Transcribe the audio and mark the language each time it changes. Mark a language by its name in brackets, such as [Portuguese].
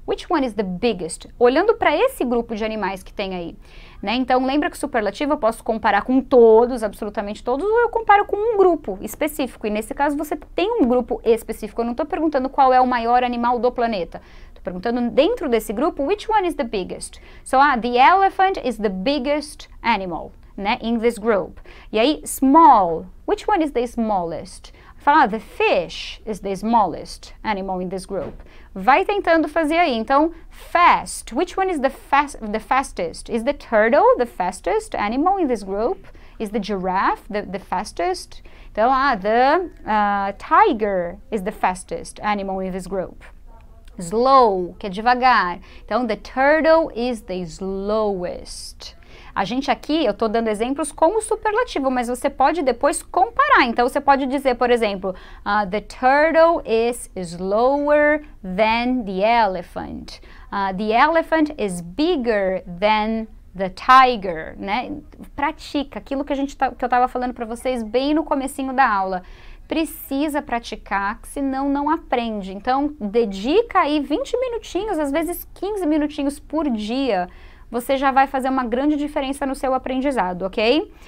[English] Which one is the biggest? [Portuguese] Olhando para esse grupo de animais que tem aí, né? Então, lembra que superlativo eu posso comparar com todos, absolutamente todos, ou eu comparo com um grupo específico. E nesse caso, você tem um grupo específico. Eu não estou perguntando qual é o maior animal do planeta. Estou perguntando dentro desse grupo, [English] which one is the biggest? So, the elephant is the biggest animal, né, in this group. E aí, small, which one is the smallest? Fala, the fish is the smallest animal in this group. [Portuguese] Vai tentando fazer aí. [English] Então, fast, which one is the fastest? Is the turtle the fastest animal in this group? Is the giraffe the fastest? Então, the tiger is the fastest animal in this group. Slow, [Portuguese] que é devagar. [English] Então, the turtle is the slowest. [Portuguese] A gente aqui, eu estou dando exemplos com o superlativo, mas você pode depois comparar. Então, você pode dizer, por exemplo, [English] the turtle is slower than the elephant. The elephant is bigger than the tiger, né? [Portuguese] Pratica aquilo que a gente que eu estava falando para vocês bem no comecinho da aula. Precisa praticar, senão não aprende. Então, dedica aí 20 minutinhos, às vezes 15 minutinhos por dia. Você já vai fazer uma grande diferença no seu aprendizado, ok?